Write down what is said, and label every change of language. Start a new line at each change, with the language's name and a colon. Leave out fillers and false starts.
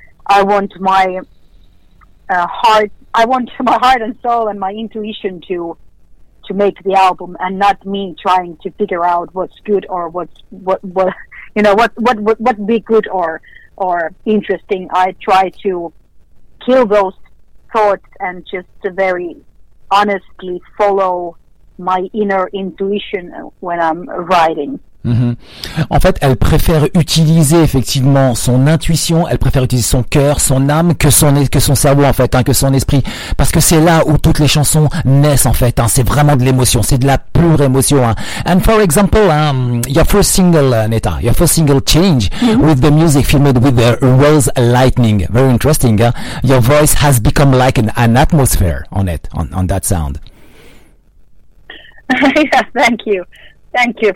English: I want my heart and soul and my intuition to make the album, and not me trying to figure out what's good or what be good or interesting. I try to kill those thoughts and just very honestly follow my inner intuition when I'm writing.
French: En fait, elle préfère utiliser effectivement son intuition, elle préfère utiliser son cœur, son âme, que son cerveau en fait, hein, que son esprit, parce que c'est là où toutes les chansons naissent en fait, hein, c'est vraiment de l'émotion, c'est de la pure émotion, hein.
English: And for example, your first single, Neta, your first single Change, with the music filmed with the rose lightning, very interesting, huh? Your voice has become like an atmosphere on that sound. Yeah, thank you.